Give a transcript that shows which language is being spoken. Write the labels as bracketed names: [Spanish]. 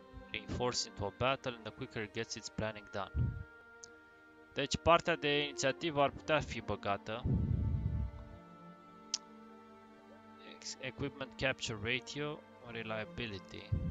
[English] Reinforce into a battle and the quicker it gets its planning done. [Romanian] Deci partea de inițiativă ar putea fi băgată. [English] Equipment Capture Ratio, Reliability.